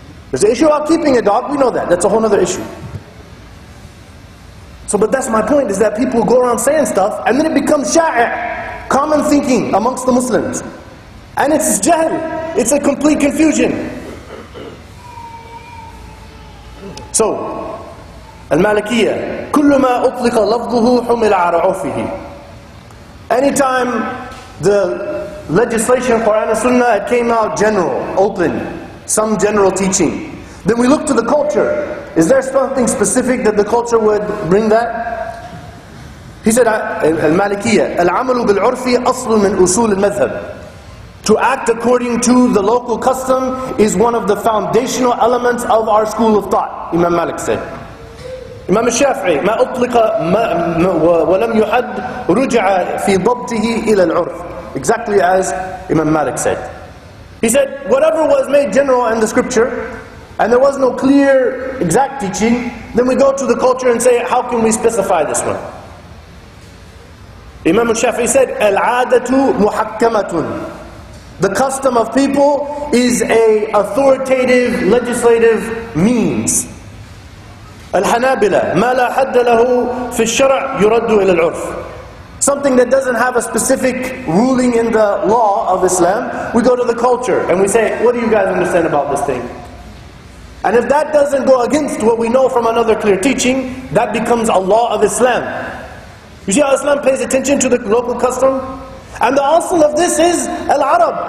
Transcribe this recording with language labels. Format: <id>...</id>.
<en>There's an issue about keeping a dog. We know that. That's a whole other issue. So, but that's my point, is that people go around saying stuff and then it becomes sha'i', common thinking amongst the Muslims. And it's jahl. It's a complete confusion.</en> <ar>So, al-Malikiyya, كل ما أطلق لفظه حمل على عرفه.</ar> <en>Anytime the legislation, Quran and Sunnah, it came out general, open, some general teaching. Then we look to the culture. Is there something specific that the culture would bring that? He said,</en> <ar>al-Malikiyya, العمل بالعرف أصل من أصول المذهب.</ar> <en>To act according to the local custom is one of the foundational elements of our school of thought, Imam Malik said.</en> <ar>Imam al-Shafi'i, ما أطلق ولم يحد رجع في ضبطه إلى العرف.</ar> <en>Exactly as Imam Malik said. He said, whatever was made general in the scripture, and there was no clear, exact teaching, then we go to the culture and say, how can we specify this one? Imam al-Shafi'i said,</en> <ar>العادة محكمة.</ar> <en>The custom of people is an authoritative, legislative means.</en> <ar>Al-Hanabila, ما لا حد له في الشرع يرد إلى العرف.</ar> <en>Something that doesn't have a specific ruling in the law of Islam, we go to the culture and we say, what do you guys understand about this thing? And if that doesn't go against what we know from another clear teaching, that becomes a law of Islam. You see how Islam pays attention to the local custom? And the asal of this is Al-Arab.</en>